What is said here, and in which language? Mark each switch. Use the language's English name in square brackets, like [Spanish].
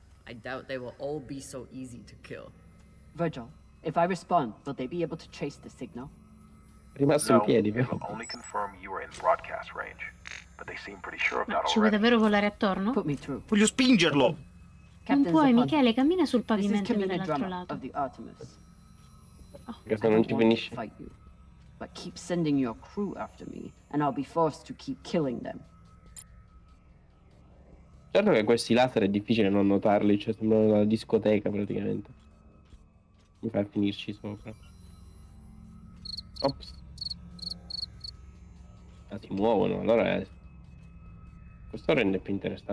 [English] I doubt they will all be so easy to kill. Virgil, if I respond, will they be able to chase the signal? [Italian] Rimasto in piedi, vero? [English] No, only confirm you are in broadcast range. But they seem pretty sure of that already. [Italian] Ci vuoi davvero volare attorno? [English] Put me through. [Italian] Voglio spingerlo! Non puoi, Michele, cammina sul pavimento dall'altro lato. Questo non ci finisce. [English] But keep sending your crew after me, and I'll be forced to keep killing them. [Italian] Certo che questi laser è difficile non notarli, cioè sembrano una discoteca praticamente. Mi fa finirci sopra. Ops. Ah, si muovono, allora è... Questo rende più interessante.